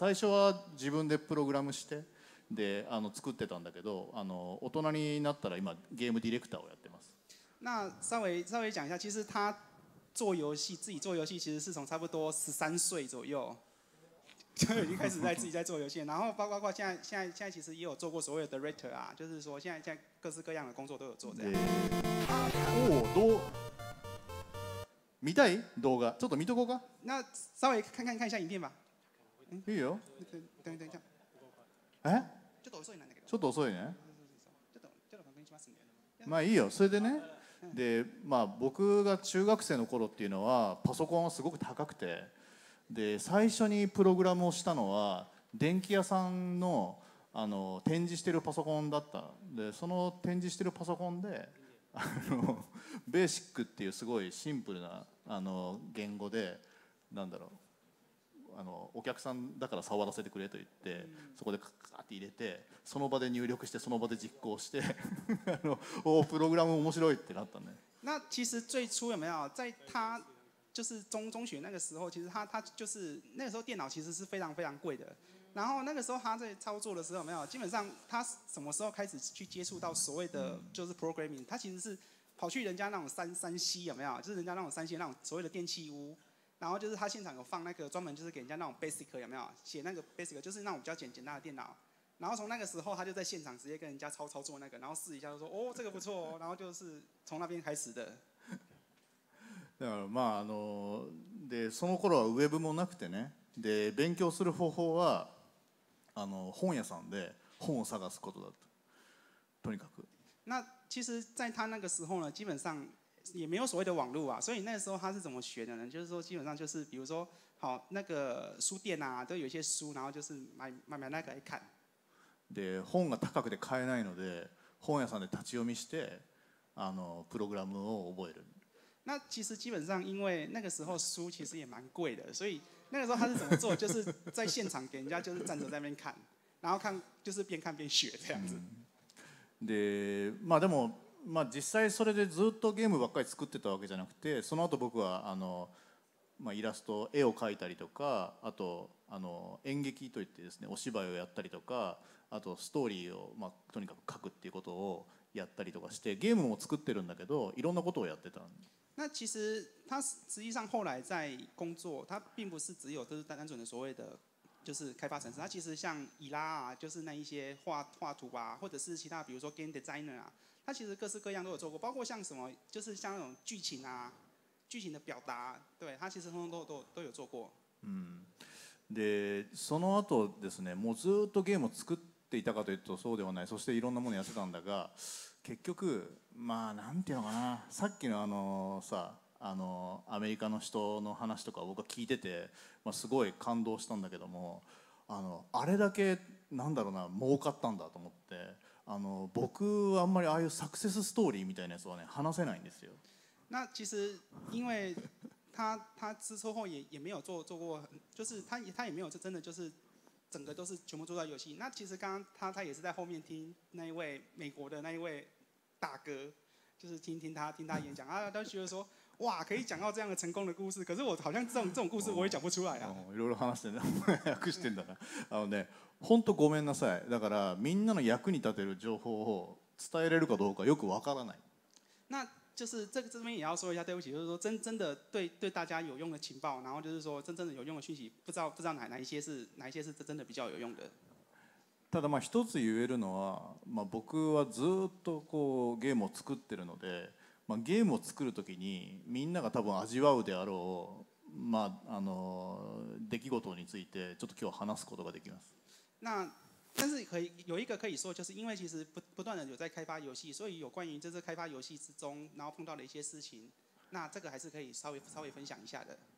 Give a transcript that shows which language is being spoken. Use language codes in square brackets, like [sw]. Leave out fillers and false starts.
[ja] 最初は自分でプログラムして。で作ってたんだけど、大人になったら今ゲームディレクターをやってます。 [zh] 那稍微讲一下，其实他做游戏，自己做游戏，其实是从差不多13岁左右就已经开始在自己在做游戏。然后包括现在其实也有做过所谓的 director 啊，就是说现在各式各样的工作都有做这样。 [ja] 哦，多見たい動画ちょっと見とこうか。 [zh] 那稍微看一下影片吧。 [ja] いいよ。 [zh] 等一下。え？ [ja] ちょっと遅いなんだけど。ちょっと遅いね。ちょっと確認しますね。まあいいよ。それでね、で、まあ僕が中学生の頃っていうのはパソコンはすごく高くて、で最初にプログラムをしたのは電気屋さんの展示してるパソコンだった。でその展示してるパソコンでベーシックっていうすごいシンプルな言語で、なんだろう。お客さんだから触らせてくれと言って、そこでカッカッって入れて、その場で入力して、その場で実行して、プログラム面白いってなったね。 [zh] 那其实最初有没有在他就是中学那个时候，其实他就是那个时候电脑其实是非常非常贵的。然后那个时候他在操作的时候有没有，基本上他什么时候开始去接触到所谓的就是 programming？他其实是跑去人家那种三C有没有，就是人家那种三C那种所谓的电器屋。然后就是他现场有放那个专门就是给人家那种 basic 有没有写那个 basic， 就是那种比较简单的电脑。然后从那个时候他就在现场直接跟人家操作那个，然后试一下就说哦这个不错哦，然后就是从那边开始的。 [ja] だからまあでその頃はウェブもなくてね、で勉強する方法は本屋さんで本を探すことだと。とにかく。 [zh] 那其实，在他那个时候呢，基本上。也没有所谓的网络啊，所以那时候他是怎么学的呢？就是说，基本上就是，比如说，好那个书店啊，都有一些书，然后就是买那个来看。 [ja] で、本が高くて買えないので、本屋さんで立ち読みして、プログラムを覚える。 [zh] 那其实基本上，因为那个时候书其实也蛮贵的，所以那个时候他是怎么做？就是在现场给人家就是站着在那边看，然后看就是边看边学这样子。 [ja] で、まあでも。まあ、実際それでずっとゲームばっかり作ってたわけじゃなくて、その後僕はまあ、イラスト絵を描いたりとか、あと演劇といってですねお芝居をやったりとか、あとストーリーを、まあ、とにかく描くっていうことをやったりとかして、ゲームも作ってるんだけどいろんなことをやってた。 [zh] 那其实他实际上后来在工作，他并不是只有就是单纯的所谓的就是开发程式，他其实像イラ啊，就是那一些画图啊，或者是其他比如说 game designer 啊。他其实各式各样都有做过，包括像什么，就是像那种剧情啊，剧情的表达，对他其实通通都有做过。 [ja] 嗯，で、その後ですね、もうずっとゲームを作っていたかというとそうではない。そしていろんなものやってたんだが、結局、まあなんていうのかな、さっきのさ、アメリカの人の話とか僕は聞いてて、まあすごい感動したんだけども、あれだけなんだろうな、儲かったんだと思って。僕はあんまりああいうサクセスストーリーみたいなやつはね話せないんですよ。 [zh] 那其实因为他之后也没有做过，就是他也没有真的就是整个都是全部做到游戏。那其实刚刚 他也是在后面听那一位美国的那一位大哥，就是听他演讲，他觉得说哇，可以讲到这样的成功的故事，可是我好像这种故事我也讲不出来啊。 [ja] いろいろ話してね、訳してんだな。あのね、本当ごめんなさい。だからみんなの役に立てる情報を伝えれるかどうかよくわからない。 [zh] 那就是这边也要说一下，对不起，就是说真的对大家有用的情报，然后就是说真的有用的讯息，不知道哪一些是真的比较有用的。 [ja] ただまあ一つ言えるのは、まあ僕はずっとこうゲームを作ってるので、まあゲームを作るときにみんなが多分味わうであろう、まああの出来事についてちょっと今日話すことができます。 [zh] 那但是可以有一个可以说，就是因为其实不断的有在开发游戏，所以有关于这次开发游戏之中，然后碰到的一些事情，那这个还是可以稍微分享一下的。